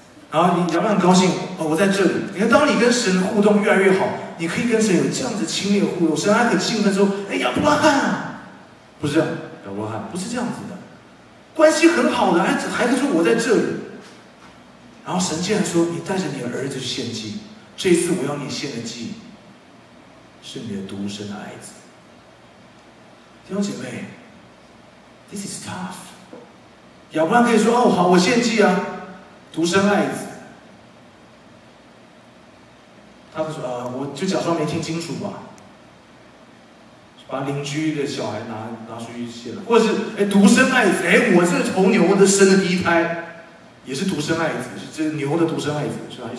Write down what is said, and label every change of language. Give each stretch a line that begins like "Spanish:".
Chinese: 然后你亚伯拉罕很高兴，哦，我在这里。你看，当你跟神互动越来越好，你可以跟神有这样子亲密的互动，神还很兴奋说，哎，亚伯拉罕啊，不是，亚伯拉罕不是这样子的，关系很好的，还说我在这里。然后神竟然说，你带着你儿子去献祭，这一次我要你献的祭是你的独生的爱子。弟兄姐妹，
English: This is tough。
Chinese: 亚伯拉罕可以说，哦，好，我献祭啊，独生爱子。他说，我就假装没听清楚吧，把邻居的小孩拿出去献了，或者是，哎，独生爱子，哎，我这头牛的生的第一胎也是独生爱子，是这牛的独生爱子，是吧？